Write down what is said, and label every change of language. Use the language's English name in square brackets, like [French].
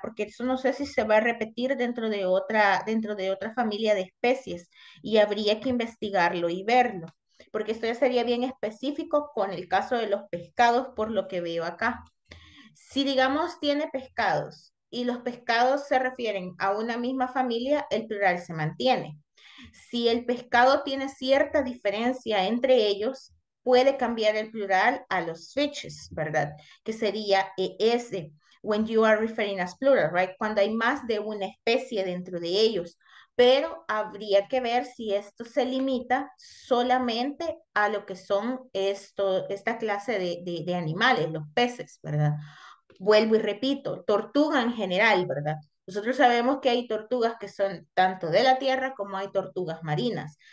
[Spanish] Porque eso no sé si se va a repetir dentro de otra familia de especies y habría que investigarlo y verlo, porque esto ya sería bien específico con el caso de los pescados por lo que veo acá. Si digamos tiene pescados. Y los pescados se refieren a una misma familia, el plural se mantiene. Si el pescado tiene cierta diferencia entre ellos, puede cambiar el plural a los fishes, ¿verdad? Que sería [English] ES, when you are referring as plural, right? [Spanish] Cuando hay más de una especie dentro de ellos. Pero habría que ver si esto se limita solamente a lo que son esta clase de animales, los peces, ¿verdad? Vuelvo y repito, tortuga en general, ¿verdad? Nosotros sabemos que hay tortugas que son tanto de la tierra como hay tortugas marinas.